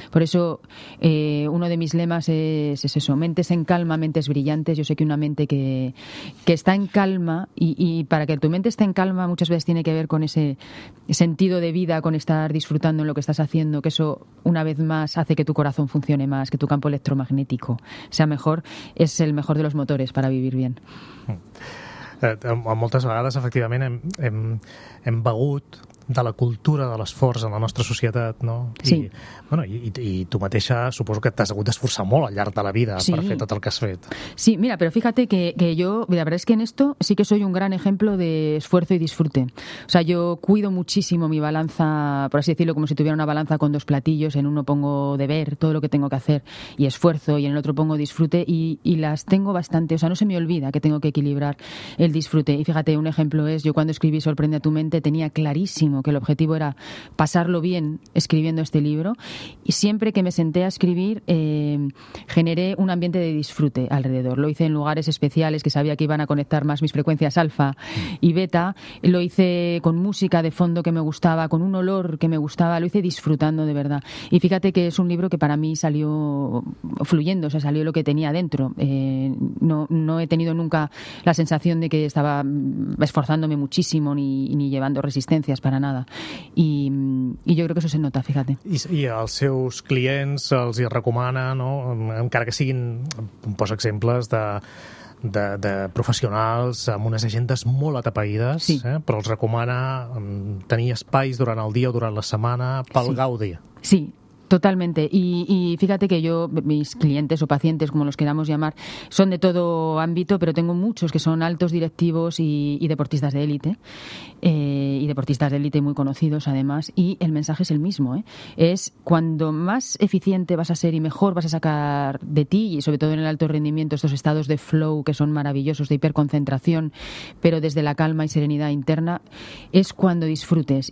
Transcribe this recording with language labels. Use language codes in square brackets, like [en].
[es] Por eso uno de mis lemas es eso: mentes en calma, mentes brillantes. Yo sé que una mente que está en calma, y para que tu mente esté en calma, muchas veces tiene que ver con ese sentido de vida, con estar disfrutando en lo que estás haciendo, que eso una vez más hace que tu corazón funcione más, que tu campo electromagnético sea mejor. Es el mejor de los motores para vivir bien. [ca] Moltes vegades, efectivament, hem begut de la cultura de l'esforç en la nostra societat, no? Sí. I tu mateixa suposo que t'has hagut d'esforçar molt al llarg de la vida, sí, per fer tot el que has fet. [es] Sí, mira, però fíjate que yo, la verdad es que en esto sí que soy un gran ejemplo de esfuerzo y disfrute. O sea, yo cuido muchísimo mi balanza, por así decirlo, como si tuviera una balanza con dos platillos. En uno pongo deber, todo lo que tengo que hacer, y esfuerzo, y en el otro pongo disfrute, y las tengo bastante, o sea, no se me olvida que tengo que equilibrar el disfrute. Y fíjate, un ejemplo es, yo cuando escribí Sorprende a tu mente tenía clarísimo que el objetivo era pasarlo bien escribiendo este libro, y siempre que me senté a escribir generé un ambiente de disfrute alrededor. Lo hice en lugares especiales que sabía que iban a conectar más mis frecuencias alfa y beta, lo hice con música de fondo que me gustaba, con un olor que me gustaba, lo hice disfrutando de verdad. Y fíjate que es un libro que para mí salió fluyendo, o sea, salió lo que tenía dentro. No he tenido nunca la sensación de que estaba esforzándome muchísimo ni llevando resistencias para nada. [ca] I jo crec que això se nota, fíjate. I els seus clients els hi recomana, no? Encara que siguin, em poso exemples de professionals amb unes agendes molt atapeïdes, sí, però els recomana tenir espais durant el dia o durant la setmana pel, sí, gaudi. [es] Sí. Totalmente. Y fíjate que yo, mis clientes o pacientes, como los queramos llamar, son de todo ámbito, pero tengo muchos que son altos directivos y deportistas de élite, y deportistas de élite muy conocidos además, y el mensaje es el mismo, ¿eh? Es cuando más eficiente vas a ser y mejor vas a sacar de ti, y sobre todo en el alto rendimiento, estos estados de flow que son maravillosos, de hiperconcentración, pero desde la calma y serenidad interna, es cuando disfrutes.